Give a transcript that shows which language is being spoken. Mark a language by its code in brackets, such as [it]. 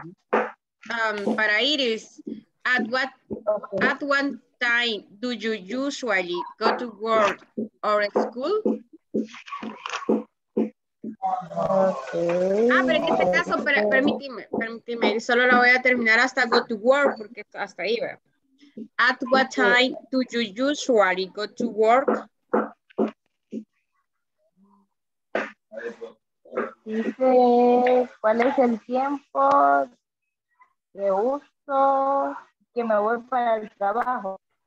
[en] Para Iris, at what time do you usually go to work or school? Okay. [es] Ah, pero en este caso, permíteme, solo la voy a terminar hasta [en] go to work, [es] porque hasta ahí va. [en] At what time do you usually go to work? [es] Dice, ¿cuál es el tiempo de uso que me voy para el trabajo?